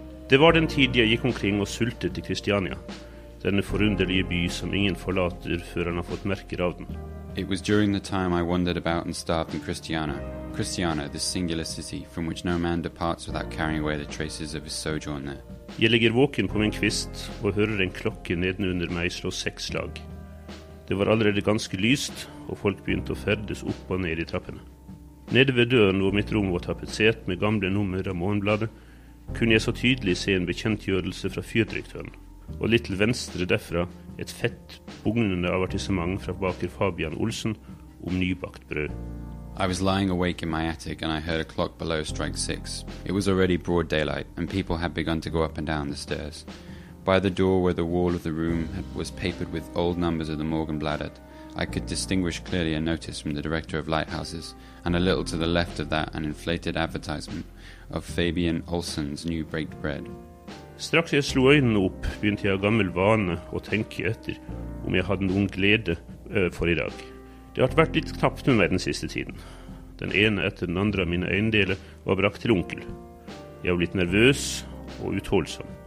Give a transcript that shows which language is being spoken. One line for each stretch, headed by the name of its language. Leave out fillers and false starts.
Norwegian: Det var den tid jeg gikk omkring og sultet i Kristiania, denne forunderlige by som ingen forlater før han har fått merker av den.
English: It was during the time I wandered about and starved in Christiania, the singular city from which no man departs without carrying away the traces of his sojourn there.
Norwegian: Jeg ligger våken på min kvist og hører en klokke nedenunder meg slå seks slag. Det var allerede ganske lyst, og folk begynte å ferdes opp og ned i trappene. Nede ved døren hvor mitt rom var tapetsert med gamle nummer av Morgenbladet, kunne jeg så tydelig se en bekjentgjørelse fra fyrdirektøren, og litt til venstre derfra et fett, bugnende avertissement fra baker Fabian Olsen om nybakt brød.
English: I was lying awake in my attic and I heard a clock below strike six. It was already broad daylight and people had begun to go up and down the stairs. By the door where the wall of the room was papered with old numbers of the Morgenbladet, I could distinguish clearly a notice from the director of lighthouses and a little to the left of that an inflated advertisement of Fabian Olsen's new baked bread.
Norwegian: Straks jeg slo øynene opp, begynte jeg av gammel vane å tenke etter om jeg hadde noen glede for I dag. Det har vært litt knapt med meg den siste tiden. Den ene etter den andre av mine eiendeler var brakt til onkel. Jeg har blitt nervøs og utholdsom.